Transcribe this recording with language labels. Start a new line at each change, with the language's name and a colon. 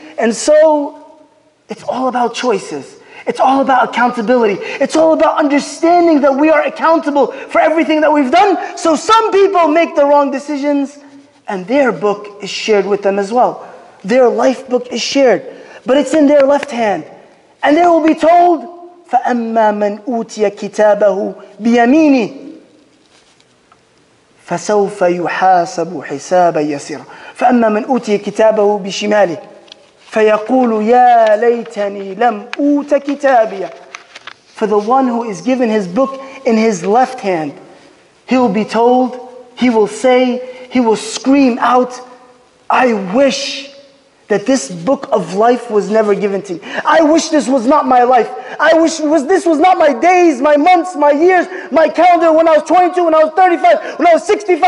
English: And so, it's all about choices. It's all about accountability. It's all about understanding that we are accountable for everything that we've done. So some people make the wrong decisions, and their book is shared with them as well. Their life book is shared, but it's in their left hand. And they will be told,
Arabic: فَأَمَّا مَنْ أُوتِيَ كِتَابَهُ بِيَمِينِ فَسَوْفَ يُحَاسَبُ حِسَابًا يَسِيرًا فَأَمَّا مَنْ أُوتِيَ كِتَابَهُ بِشِمَالِهِ فَيَقُولُ يَا لَيْتَنِي لَمْ أُوتَ كِتَابِيَ.
English: For the one who is given his book in his left hand, he will be told, he will say, he will scream out, I wish that this book of life was never given to me. I wish this was not my life. I wish this was not my days, my months, my years, my calendar when I was 22, when I was 35, when I was 65.